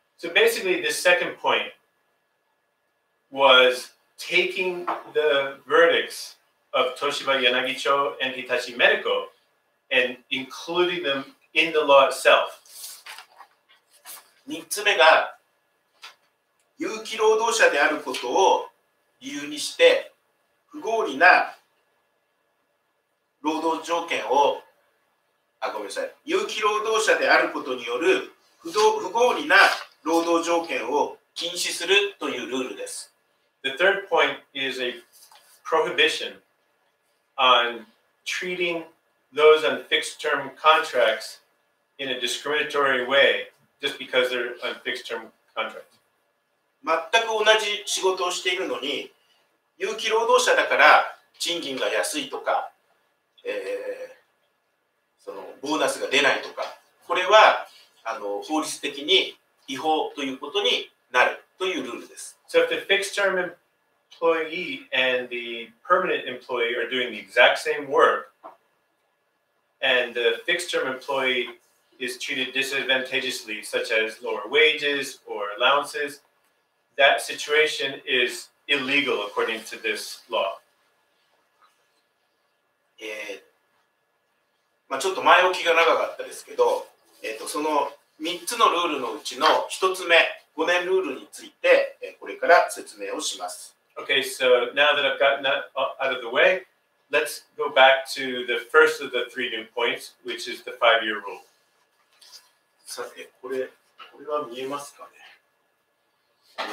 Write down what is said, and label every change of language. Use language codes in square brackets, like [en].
[en] So basically the second point was taking the verdicts of 東芝柳町 and 日立 Medical and including them in the law itself. [ja] 3つ目が有期労働者であることを理由にして不合理な労働条件をごめんなさい有期労働者であることによる 不合理な労働条件を禁止するというルールです。 [en] The third point is a prohibition on treating those on fixed term contracts in a discriminatory wayJust because they're on fixed term contract. [ja] 全く同じ仕事をしているのに、有期労働者だから賃金が安いとか、そのボーナスが出ないとか、これは法律的に違法ということになるというルールです。 [en] So if the fixed term employee and the permanent employee are doing the exact same work, and the fixed term employeeis treated disadvantageously, such as lower wages or allowances, that situation is illegal according to this law. [ja] ちょっと前置きが長かったですけど、その3つのルールのうちの1つ目、5年ルールについて、これから説明をします。 [en] Okay, so now that I've gotten that out of the way, let's go back to the first of the three new points, which is the five-year rule. [ja] さて、これは見えますかね。